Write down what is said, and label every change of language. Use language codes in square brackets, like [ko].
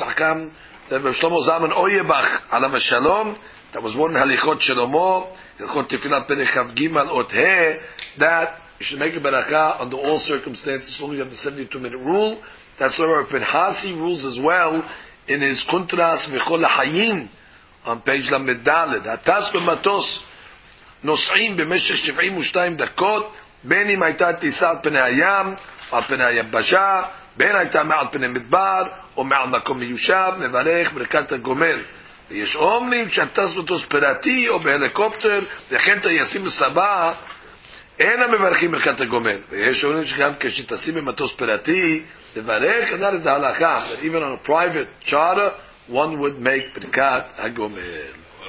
[en] Hakam that Rav Shlomo Zalman Oyebach Alav Shalom, that was one Halichot Shlomo Halichot Tefilah Perek Chav Gimel Ot He, that you should make a beracha under all circumstances, as long as you have the 72-minute rule. That's where Rav Pinhasi rules as well in his Kuntras Mechol LaHayim on page Lamed Daled. [he] Atas b'matos nosaim b'meshach 72 dakot. בין אם הייתה טיסה על פני הים, על פני היבשה, בין הייתה מעל פני מדבר, או מעל מקום מיושב, מברך ברכת הגומל. ויש אומרים שהטס מטוס פרטי או בהליקופטר, וכן טייסים בסבא, אין המברכים ברכת הגומל. ויש אומרים שגם כשטסים במטוס פרטי, לברך, כדאי את ההלכה. [en] Even on a private charter, one would make ברכת הגומל.